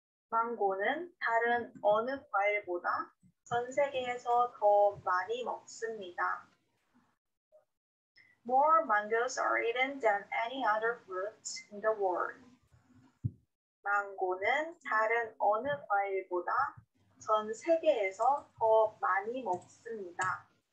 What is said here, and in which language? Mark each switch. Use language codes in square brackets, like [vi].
[ko] 망고는 다른 어느 과일보다 전 세계에서 더 많이 먹습니다. [en] More mangoes are eaten than any other fruit in the world. [ko] 망고는 다른 어느 과일보다 전 세계에서 더 많이 먹습니다.